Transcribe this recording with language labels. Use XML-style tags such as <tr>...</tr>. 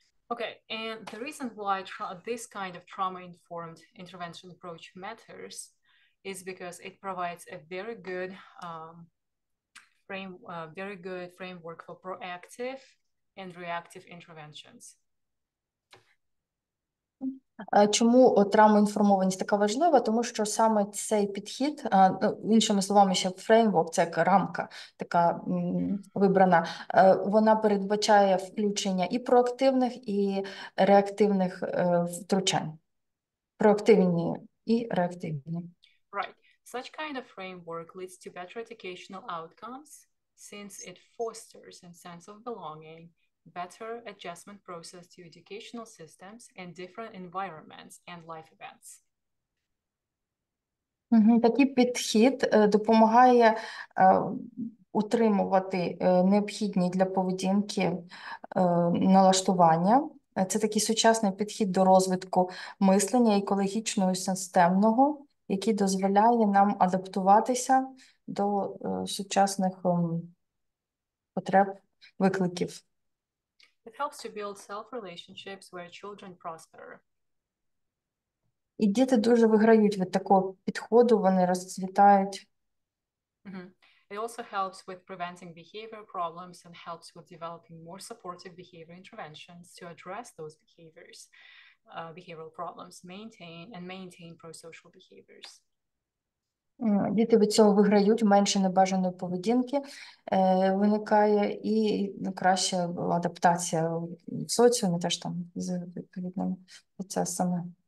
<en>Okay, and the reason why this kind of trauma-informed intervention approach matters is because it provides a very good framework for proactive and reactive interventions.</en> <uk>Чому травмоінформованість така важлива? Тому що саме цей підхід, іншими словами, ще фреймворк, це як рамка така вибрана, вона передбачає включення і проактивних, і реактивних втручань. Проактивні і реактивні.</uk> <en>Right. Such kind of framework leads to better educational outcomes since it fosters a sense of belonging, better adjustment process to educational systems and different environments and life events.</en> <uk>Такий підхід допомагає утримувати необхідні для поведінки налаштування. Це такий сучасний підхід до розвитку мислення екологічного і системного, який дозволяє нам адаптуватися до сучасних потреб, викликів.</uk> <en>It helps to build self-relationships where children prosper.</en> <uk>І діти дуже виграють від такого підходу, вони розцвітають.</uk> <en>It also helps with preventing behavior problems and helps with developing more supportive behavior interventions to address those behaviors, behavioral problems, maintain pro-social behaviors.</en> <uk>Діти від цього виграють, менше небажаної поведінки виникає, і краща адаптація в соціумі, теж там з відповідними процесами.</uk>